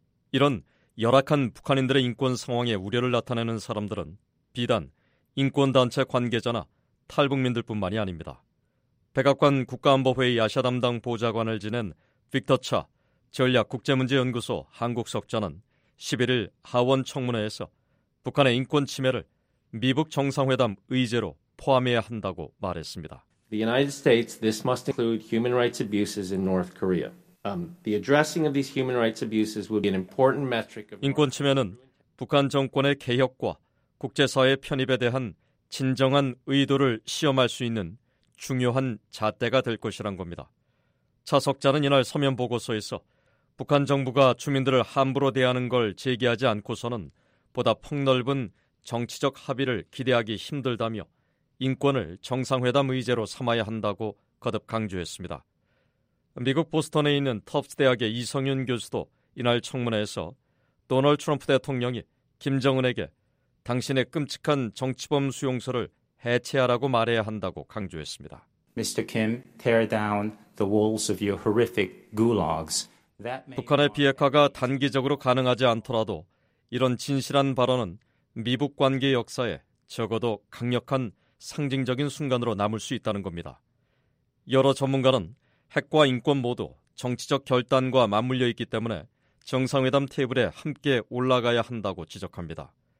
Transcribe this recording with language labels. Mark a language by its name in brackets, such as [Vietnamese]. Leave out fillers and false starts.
[Korean] 이런 열악한 북한인들의 인권 상황에 우려를 나타내는 사람들은 비단 인권단체 관계자나 탈북민들뿐만이 아닙니다. 백악관 국가안보회의 아시아 담당 보좌관을 지낸 빅터 차 전략국제문제연구소 한국석좌는 11일 하원 청문회에서 북한의 인권 침해를 미북 정상회담 의제로 포함해야 한다고 말했습니다. [English] The United States, this must include human rights abuses in North Korea. The addressing of these human rights abuses would be an important metric of [Korean] 인권 침해는 북한 정권의 개혁과 국제사회 편입에 대한 진정한 의도를 시험할 수 있는 중요한 잣대가 될 것이란 겁니다. 차석자는 이날 서면 보고서에서 북한 정부가 주민들을 함부로 대하는 걸 제기하지 않고서는 보다 폭넓은 정치적 합의를 기대하기 힘들다며 인권을 정상회담 의제로 삼아야 한다고 거듭 강조했습니다. 미국 보스턴에 있는 터프스 대학의 이성윤 교수도 이날 청문회에서 도널드 트럼프 대통령이 김정은에게 당신의 끔찍한 정치범 수용소를 해체하라고 말해야 한다고 강조했습니다. [English] Mr. Kim, tear down the walls of your horrific gulags. [Korean] 북한의 비핵화가 단기적으로 가능하지 않더라도 이런 진실한 발언은 미북 관계 역사에 적어도 강력한 상징적인 순간으로 남을 수 있다는 겁니다. 여러 전문가는 핵과 인권 모두 정치적 결단과 맞물려 있기 때문에 정상회담 테이블에 함께 올라가야 한다고 지적합니다.